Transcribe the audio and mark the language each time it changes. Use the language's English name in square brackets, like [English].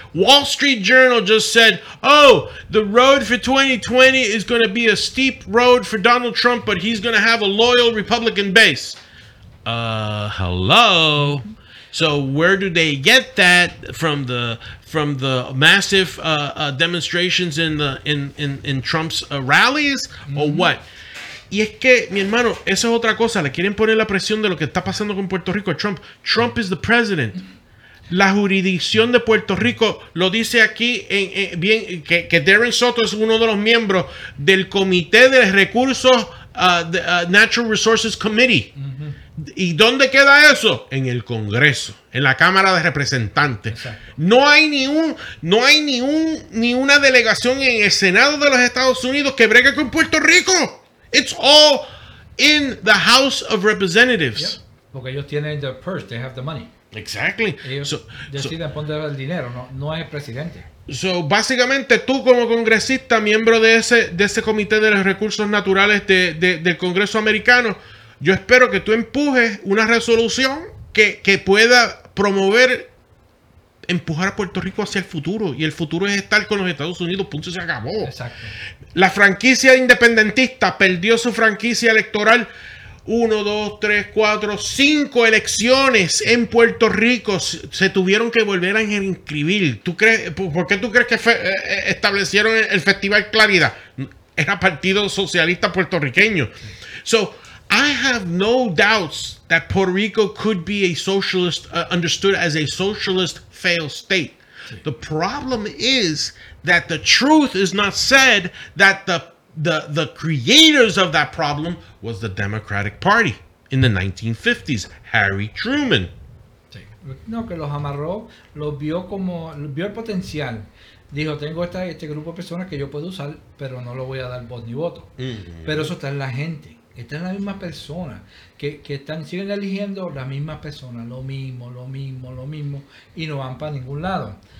[English] Wall Street Journal just said, oh, the road for 2020 is going to be a steep road for Donald Trump, but he's going to have a loyal Republican base. Hello? So where do they get that from? The massive demonstrations in Trump's rallies or what? [Spanish] Y es que, mi hermano, esa es otra cosa. Le quieren poner la presión de lo que está pasando con Puerto Rico a Trump. [English] Trump is the president. [Spanish] La jurisdicción de Puerto Rico lo dice aquí que Darren Soto es uno de los miembros del Comité de Recursos, Natural Resources Committee. Uh-huh. ¿Y dónde queda eso? En el Congreso, en la Cámara de Representantes. Exacto. No hay ni una delegación en el Senado de los Estados Unidos que bregue con Puerto Rico. [English] It's all in the House of Representatives. Yep. [Spanish] Porque ellos tienen [English] the purse, they have the money. Exactly. [Spanish] Ellos deciden poner el dinero, no es el presidente. So, básicamente, tú como congresista, miembro de ese Comité de los Recursos Naturales del Congreso americano, yo espero que tú empujes una resolución que pueda empujar a Puerto Rico hacia el futuro. Y el futuro es estar con los Estados Unidos. Punto, se acabó. Exacto. La franquicia independentista perdió su franquicia electoral 1, 2, 3, 4, 5 elecciones en Puerto Rico. Se tuvieron que volver a inscribir. ¿Por qué tú crees que establecieron el Festival Claridad? Era Partido Socialista Puertorriqueño. [English] So, I have no doubts that Puerto Rico could be a socialist, understood as a socialist failed state. The problem is that the truth is not said, that the creators of that problem was the Democratic Party in the 1950s, Harry Truman. [Spanish] Sí. No, que los amarró, los vio como, vio el potencial. Dijo, tengo este grupo de personas que yo puedo usar, pero no lo voy a dar voz ni voto. Mm-hmm. Pero eso está en la gente. Está en la misma persona que están, siguen eligiendo la misma persona, lo mismo, y no van para ningún lado.